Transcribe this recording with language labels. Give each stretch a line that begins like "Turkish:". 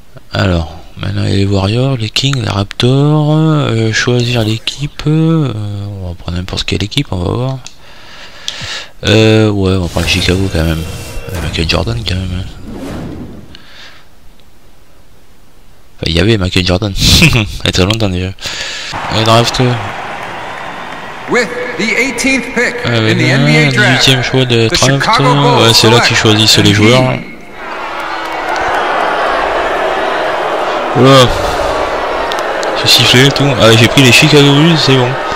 French: Alors, maintenant les Warriors, les Kings, les Raptors, choisir l'équipe, on va prendre n'importe quelle équipe, on va voir. Ouais, on va prendre Chicago quand même, Michael Jordan quand même. Enfin, il y avait Michael Jordan, il y a très longtemps déjà. Et draft.
English: With the 18th pick in the NBA draft,
French: 18e choix de draft, ouais, c'est là qu'ils choisissent les joueurs. Oula, je sifflais et tout. Ah, j'ai pris les Chicago Bulls, c'est bon.